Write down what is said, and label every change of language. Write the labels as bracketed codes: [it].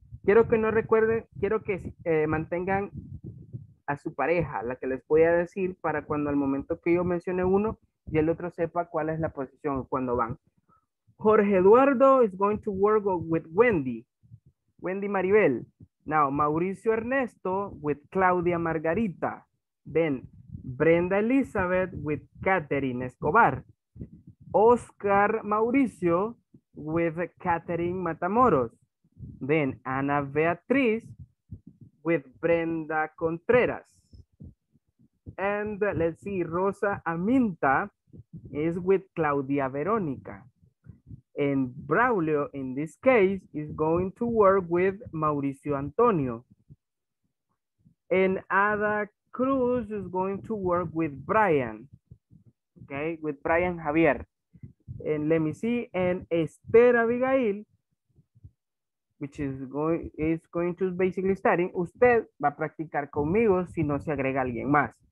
[es] Quiero que no recuerden, quiero que mantengan a su pareja, la que les voy a decir para cuando al momento que yo mencione uno y el otro sepa cuál es la posición cuando van. [en] Jorge Eduardo is going to work with Wendy. Wendy Maribel. Now, Mauricio Ernesto with Claudia Margarita. Then, Brenda Elizabeth with Catherine Escobar. Oscar Mauricio with Catherine Matamoros. Then, Ana Beatriz with Brenda Contreras. And let's see, Rosa Aminta is with Claudia Verónica. And Braulio, in this case, is going to work with Mauricio Antonio. And Ada Cruz is going to work with Brian. Okay, with Brian Javier. And let me see. And Esther Abigail, which is going to basically study. [es] Usted va a practicar conmigo si no se agrega alguien más.